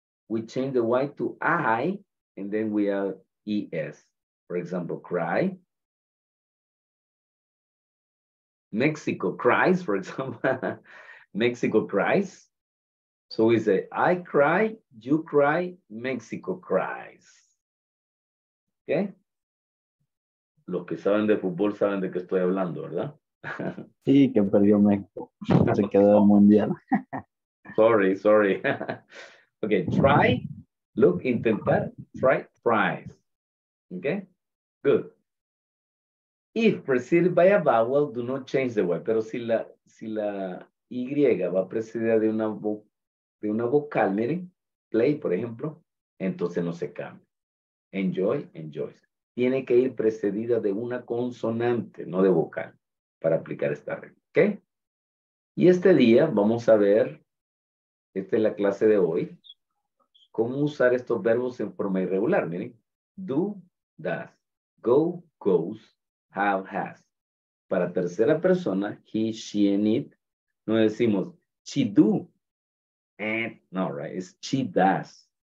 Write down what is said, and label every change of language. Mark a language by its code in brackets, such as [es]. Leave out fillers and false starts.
[en] We change the Y to I, and then we add ES. For example, cry. Mexico cries, for example. Mexico cries. So we say, I cry, you cry, Mexico cries. Okay? [es] Los que saben de fútbol saben de qué estoy hablando, ¿verdad? Sí, que perdió México. Se quedó en el mundial. [en] Sorry. Ok, try, look, intentar, try, tries. Ok, good. If preceded by a vowel, do not change the word. [es] Pero si la Y va precedida de una vocal, miren, play, por ejemplo, entonces no se cambia. Enjoy, enjoys. Tiene que ir precedida de una consonante, no de vocal, para aplicar esta regla, ¿ok? Y este día vamos a ver, esta es la clase de hoy, cómo usar estos verbos en forma irregular, miren. [en] Do, does, go, goes, have, has. [es] Para tercera persona, he, she, and it, no decimos she do, and, no, [en] right, it's she does.